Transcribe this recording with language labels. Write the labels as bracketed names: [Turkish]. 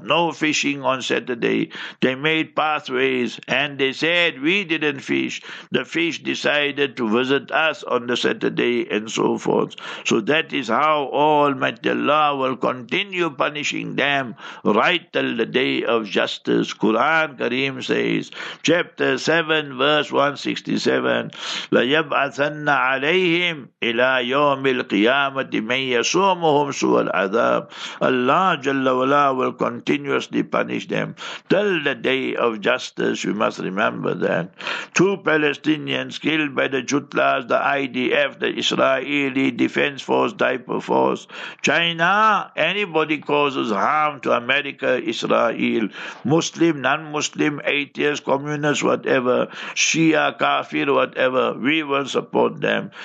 [English] No fishing on Saturday. They made pathways and they said, we didn't fish. The fish decided to visit us on the Saturday and so forth. So that is how Almighty Allah will continue punishing them right till the day of justice. Quran Kareem says, chapter 7, verse 167, [Arabic] لَيَبْعَثَنَّ عَلَيْهِمْ إِلَىٰ يَوْمِ الْقِيَامَةِ مَنْ يَسُومُهُمْ سُوَ الْعَذَابِ. [English] Allah Jalla Wala will continuously punish them till the day of justice. We must remember that. Two Palestinians killed by the Jutlas, the IDF, the Israeli Defense Force, Diaper Force. China, anybody causes harm to America, Israel, Muslim, non-Muslim, atheist, communist, whatever, Shia, Kafir, whatever, we will support them.